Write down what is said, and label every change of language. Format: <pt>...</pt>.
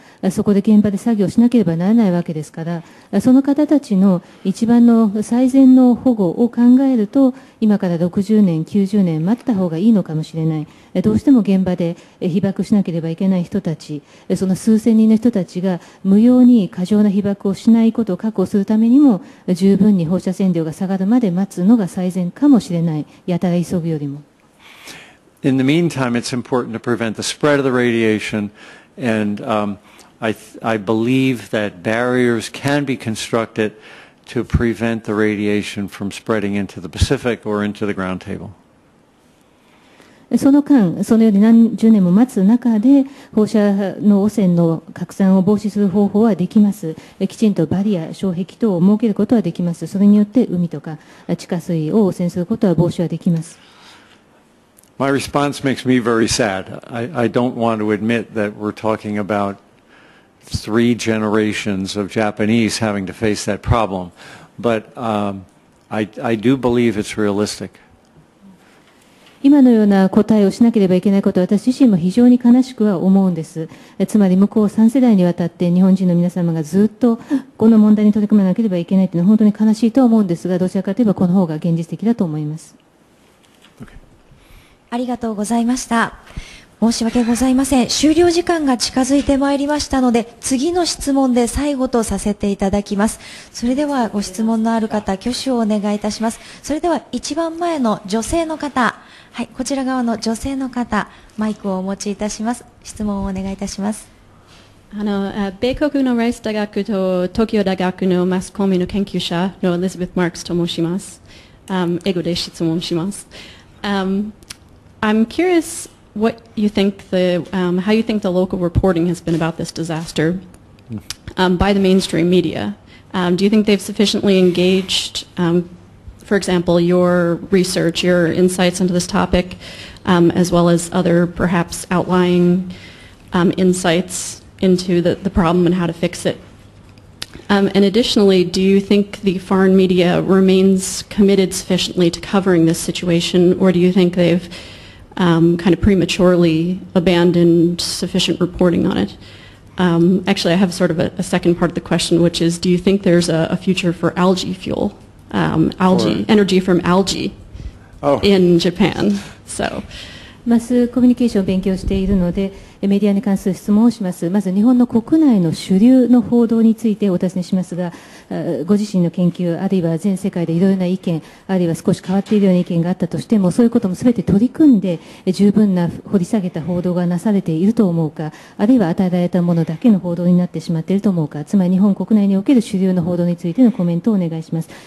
<ja>そこで現場で作業しなければならないわけですから、その方たちの一番の最善の保護を考えると、今から60年、90年待った方がいいのかもしれない。どうしても現場で被爆しなければいけない人たち、その数千人の人たちが無用に過剰な被爆をしないことを確保するためにも、十分に放射線量が下がるまで待つのが最善かもしれない。やたら急ぐよりも。</ja> <en>In the meantime, it's important to prevent the spread of the radiation and, I believe that barriers can be constructed to prevent the radiation from spreading into the Pacific or into the ground table.</en> <ja>その間、そのように何十年も待つ中で、放射能汚染の拡散を防止する方法はできます。きちんとバリア、障壁等を設けることはできます。それによって海とか地下水を汚染することは防止はできます。</ja> <en>My response makes me very sad. I don't want to admit that we're talking about three generations of Japanese having to face that problem. But I do believe it's realistic.</en> <ja>今のような答えをしなければいけないことは私自身も非常に悲しくは思うんです。つまり向こう3世代にわたって日本人の皆様がずっとこの問題に取り組まなければいけないというのは本当に悲しいと思うんですが、どちらかといえばこの方が現実的だと思います。ありがとうございました。申し訳ございません。終了時間が近づいてまいりましたので、次の質問で最後とさせていただきます。それではご質問のある方、挙手をお願いいたします。それでは一番前の女性の方、はい、こちら側の女性の方、マイクをお持ちいたします。質問をお願いいたします。米国のライス大学と東京大学のマスコミの研究者のエリザベス・マークスと申します。英語で質問します。</ja> <en>I'm curious what you think the, how you think the local reporting has been about this disaster by the mainstream media. Do you think they've sufficiently engaged, for example, your research, your insights into this topic, as well as other perhaps outlying insights into the problem and how to fix it? And additionally, do you think the foreign media remains committed sufficiently to covering this situation, or do you think they've kind of prematurely abandoned sufficient reporting on it? Actually, I have sort of a second part of the question, which is, do you think there's a future for algae fuel, energy from algae in Japan? So.</en> <ja>マスコミュニケーションを勉強しているので、メディアに関する質問をします。まず日本の国内の主流の報道についてお尋ねしますが、ご自身の研究、あるいは全世界でいろいろな意見、あるいは少し変わっているような意見があったとしても、そういうこともすべて取り組んで、十分な掘り下げた報道がなされていると思うか、あるいは与えられたものだけの報道になってしまっていると思うか、つまり日本国内における主流の報道についてのコメントをお願いします。</ja>